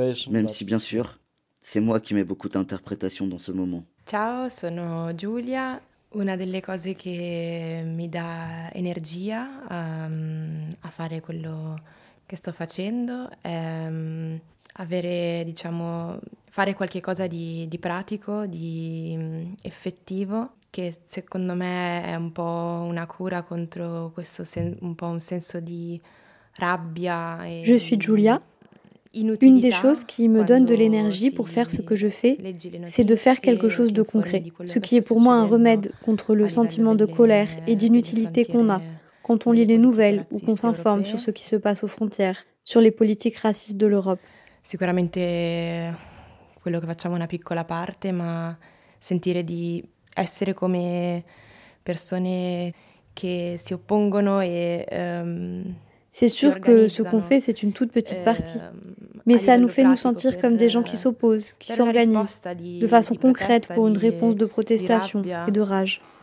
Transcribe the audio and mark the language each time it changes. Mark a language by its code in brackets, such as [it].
[fr] Même si, bien sûr, c'est moi qui mets beaucoup d'interprétations dans ce moment. [it] Ciao, sono Giulia. Una delle cose che mi dà energia a fare quello che sto facendo è avere, diciamo, fare qualche cosa di pratico, di effettivo. Che secondo me è un po' una cura contro questo un po' un senso di rabbia. [fr] Je suis Giulia. Une des choses qui me donne de l'énergie pour faire ce que je fais, c'est de faire quelque chose de concret. Ce qui est pour moi un remède contre le sentiment de colère et d'inutilité qu'on a quand on lit les nouvelles ou qu'on s'informe sur ce qui se passe aux frontières, sur les politiques racistes de l'Europe. [it] Sicuramente quello che facciamo è una piccola parte, ma sentire di essere come persone che si oppongono e [fr] c'est sûr que ce qu'on fait c'est une toute petite partie, mais ça nous fait nous sentir comme des gens qui s'opposent, qui s'organisent de façon concrète pour une réponse de protestation et de rage.